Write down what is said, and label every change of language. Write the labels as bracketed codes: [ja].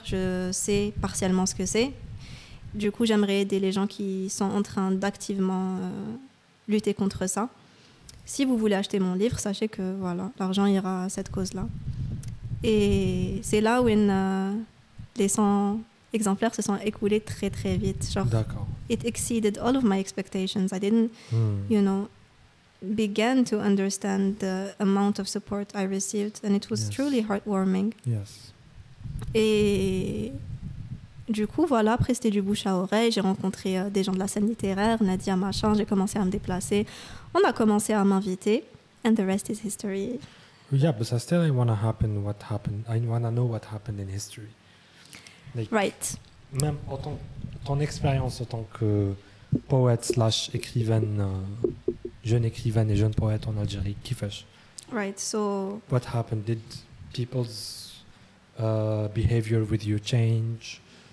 [fr] Je sais partiellement ce que c'est. Du coup, j'aimerais aider les gens qui sont en train d'activement... lutter contre ça. Si vous voulez acheter mon livre, sachez que voilà, l'argent ira à cette cause-là. Et c'est là où les 100 exemplaires se sont écoulés très très vite. Genre, d'accord. [en] It exceeded all of my expectations. I didn't, you know, begin to understand the amount of support I received, and it was truly heartwarming. Yes. [fr] Et du coup, voilà, après, c'était du bouche à oreille. J'ai rencontré des gens de la scène littéraire, Nadia, machin. J'ai commencé à me déplacer. On a commencé à m'inviter. [en] And the rest is history. Yeah, but I still want to happen what happened. I want to know what happened in history. Like, right. [fr] Même autant, ton expérience en tant que poète slash écrivaine, jeune écrivaine et jeune poète en Algérie, qui fâche. [en] Right, so... What happened? Did people's behavior with you change?